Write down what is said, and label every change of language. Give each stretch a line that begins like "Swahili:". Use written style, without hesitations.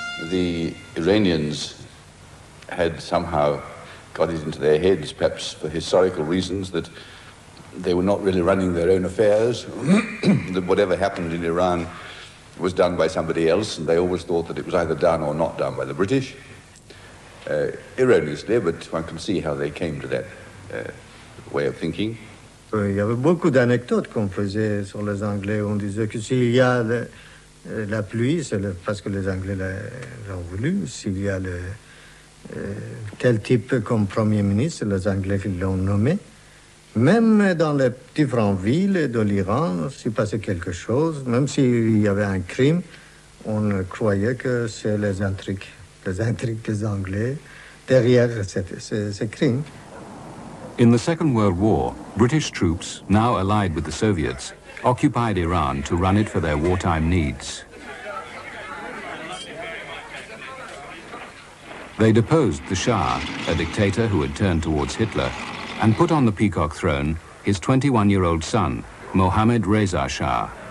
English: The Iranians had somehow got it into their heads, perhaps for historical reasons, that they were not really running their own affairs, that whatever happened in Iran was done by somebody else, and they always thought that it was either done or not done by the British. Erroneously, but one can see how they came to that way of thinking.
French: Il y avait beaucoup d'anecdotes qu'on faisait sur les Anglais. On disait que s'il y a la pluie, c'est parce que les Anglais l'ont voulu. S'il y a tel type comme premier ministre, les Anglais qui l'ont nommé. Même dans les différentes villes de l'Iran, s'il passait quelque chose, même s'il y avait un crime, on croyait que c'est les intrigues des Anglais derrière ces crimes.
English: In the Second World War, British troops, now allied with the Soviets, occupied Iran to run it for their wartime needs. They deposed the Shah, a dictator who had turned towards Hitler, and put on the peacock throne his 21-year-old son, Mohammad Reza Shah.